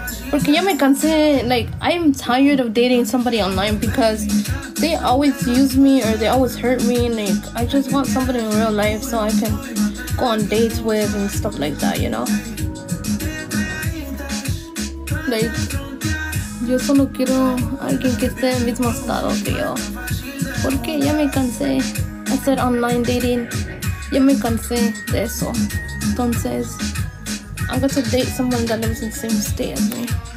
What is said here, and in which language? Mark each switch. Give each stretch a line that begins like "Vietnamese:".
Spanish: Porque ya me cansé,
English: I'm tired of dating somebody online because they always use me or they always hurt me. I just want somebody in real life so I can go on dates with and stuff like that, you know?
Spanish: Yo solo quiero alguien que esté en el mismo estado que yo. Porque ya me cansé. Hacer online dating, ya me cansé de eso. Entonces,
English: I'm going to date someone that lives in the same state as me.